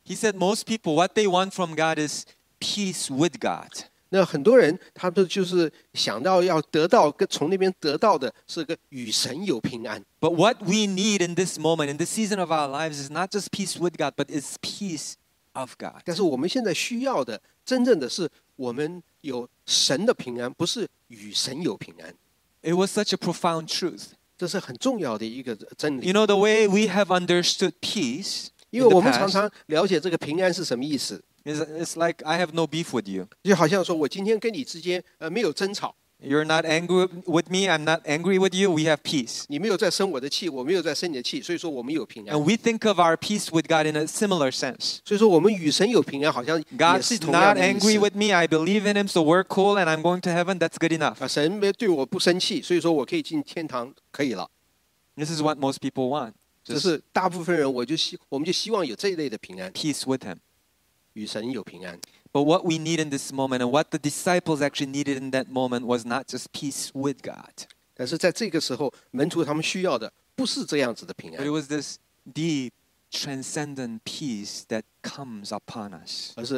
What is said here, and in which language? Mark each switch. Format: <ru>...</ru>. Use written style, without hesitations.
<en>He said most people, what they want from God is peace with God.</en> <zh>那很多人他们就是想到要得到从那边得到的是个与神有平安。</zh> <en>But what we need in this moment, in this season of our lives, is not just peace with God, but it's peace of God.</en> <zh>但是我们现在需要的真正的是我们有神的平安，不是与神有平安。</zh> <en>It was such a profound truth.</en> <zh>这是很重要的一个真理。</zh> <en>You know, the way we have understood peace in the past,</en> <zh>因为我们常常了解这个平安是什么意思。</zh> <en>It's like I have no beef with you.</en> <zh>就好像说我今天跟你之间, 没有争吵。</zh> <en>You're not angry with me, I'm not angry with you, we have peace.</en> <zh>你没有在生我的气, 我没有在生你的气, 所以说我们有平安。</zh> <en>And we think of our peace with God in a similar sense.</en> <zh>所以说我们与神有平安, 好像也是同样的意思。</zh> <en>God's not angry with me, I believe in him, so we're cool and I'm going to heaven, that's good enough.</en> <zh>神对我不生气, 所以说我可以进天堂, 可以了。</zh> <en>This is what most people want.</en> <zh>这是大部分人, 我们就希望有这一类的平安。</zh> <en>Peace with him.</en> <zh>与神有平安。</zh> <en>But what we need in this moment and what the disciples actually needed in that moment was not just peace with God.</en> <zh>但是在这个时候, 门徒他们需要的不是这样子的平安。</zh> <en>But it was this deep, transcendent peace that comes upon us.</en>